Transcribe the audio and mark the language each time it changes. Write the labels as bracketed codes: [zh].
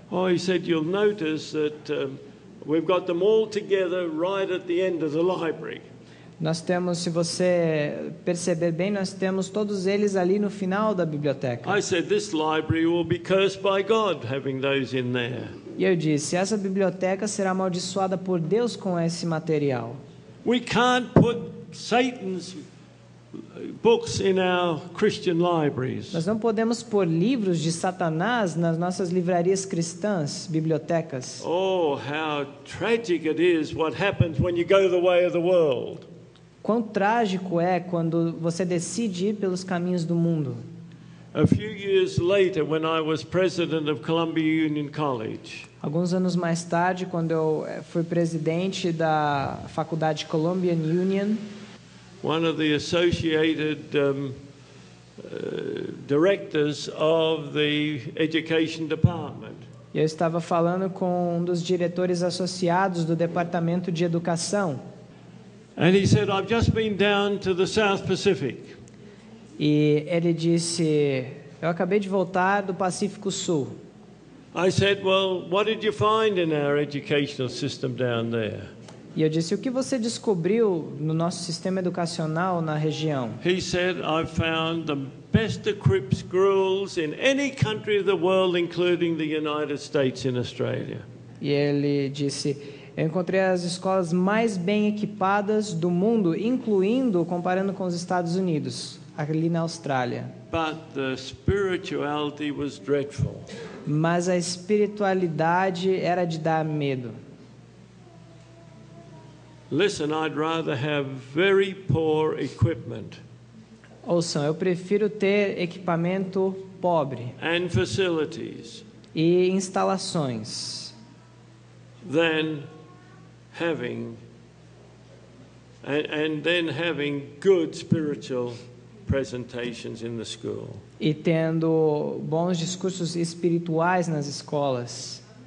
[en] Oh, he said you'll notice that we've got them all together right at the end of the library. [pt] Nós temos, se você perceber bem, nós temos todos eles ali no final da biblioteca. [en] I said this library will be cursed by God having those in there. [pt] E eu disse, essa biblioteca será amaldiçoada por Deus com esse material. [en] We can't put Satan's books in our Christian libraries. [pt] Nós não podemos pôr livros de Satanás nas nossas livrarias cristãs, bibliotecas. [en] Oh, how tragic it is what happens when you go the way of the world. [pt] Quão trágico é quando você decide ir pelos caminhos do mundo. [en] A few years later, when I was president of Columbia Union College. [pt] Alguns anos mais tarde, quando eu fui presidente da faculdade Columbia Union. [en] One of the associated directors of the education department. [pt] Eu estava falando com um dos diretores associados do departamento de educação. [en] And he said, "I've just been down to the South Pacific." [pt] E ele disse, "Eu acabei de voltar do Pacífico Sul." [en] I said, "Well, what did you find in our educational system down there?" [pt] E eu disse, o que você descobriu no nosso sistema educacional na região? [en] He said, "I found the best equipped schools in any country of the world, including the United States in Australia." [pt] E ele disse, eu encontrei as escolas mais bem equipadas do mundo, incluindo, comparando com os Estados Unidos, ali na Austrália. [en] But the spirituality was dreadful. [pt] Mas a espiritualidade era de dar medo. [en] Listen, I'd rather have very poor equipment. [pt] Ouçam, eu prefiro ter equipamento pobre. [en] And facilities. [pt] E instalações. [en] Than having and then having good spiritual presentations in the school. [pt] E tendo bons discursos espirituais nas escolas.